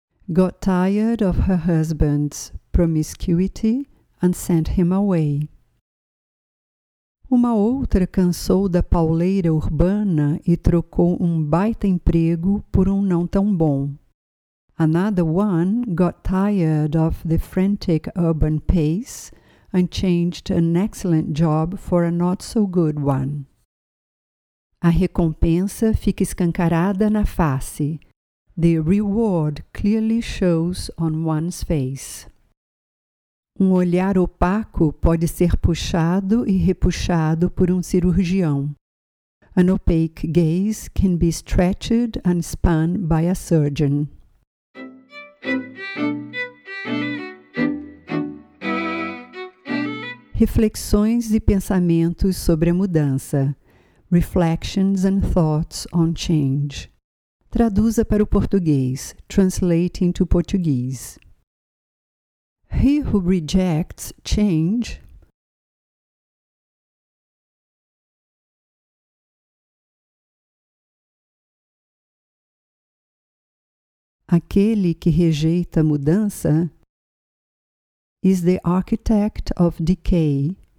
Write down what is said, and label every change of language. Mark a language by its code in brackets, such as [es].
[en] Got tired of her husband's promiscuity and sent him away. [pt] Uma outra cansou da pauleira urbana e trocou um baita emprego por um não tão bom. [en] Another one got tired of the frantic urban pace and changed an excellent job for a not so good one. [pt] A recompensa fica escancarada na face. [en] The reward clearly shows on one's face. [pt] Um olhar opaco pode ser puxado e repuxado por um cirurgião. [en] An opaque gaze can be stretched and spun by a surgeon. [pt] Reflexões e pensamentos sobre a mudança. [en] Reflections and thoughts on change. [pt] Traduza para o português. [en] Translate into Portuguese. He who rejects change [pt] Aquele que rejeita a mudança [en] is the architect of decay.